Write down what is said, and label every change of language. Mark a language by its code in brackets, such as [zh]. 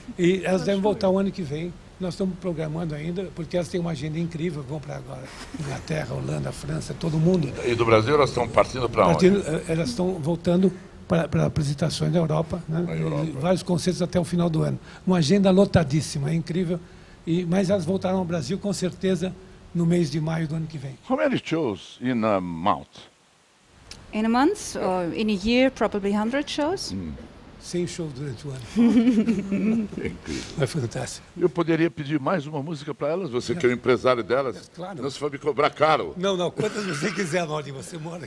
[pt] E elas devem voltar o ano que vem. Nós estamos programando ainda, porque elas têm uma agenda incrível, vão para agora Inglaterra, Holanda, França, todo mundo. E do Brasil elas estão partindo para onde? Elas estão voltando para apresentações da Europa, né? Europa. Vários concertos até o final do ano. Uma agenda lotadíssima, é incrível. Mas elas voltaram ao Brasil, com certeza, no mês de maio do ano que vem. [en] How many shows in a month? In a month, or in a year, probably 100 shows. [pt] 100 shows durante o ano. É incrível. Vai fantástico. Eu poderia pedir mais uma música para elas? Você que é o empresário delas? É, claro. Não, se for me cobrar caro. Não. Quantas você quiser, onde você mora aqui.